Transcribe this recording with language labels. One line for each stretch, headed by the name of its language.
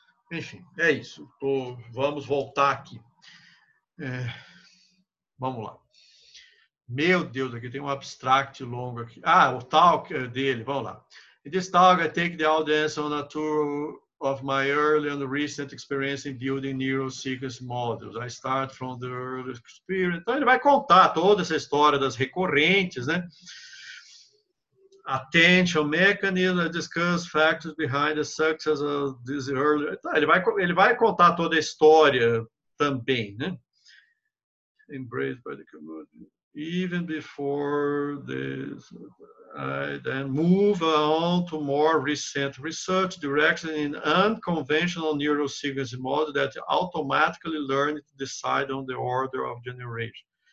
Portuguese: Enfim, é isso. Vamos voltar aqui. Vamos lá. Meu Deus, aqui tem um abstract longo aqui. Ah, o talk dele, vamos lá.
English: "In this talk, I take the audience on a tour of my early and recent experience in building neural sequence models. I start from the early experience."
Portuguese: Então, ele vai contar toda essa história das recorrentes, né?
English: "Attention mechanism, I discuss factors behind the success of this early..."
Portuguese: Ele vai contar toda a história também, né?
English: "Embraced by the community. Even before this, I then move on to more recent research direction in unconventional neural sequence models that automatically learn to decide on the order of generation."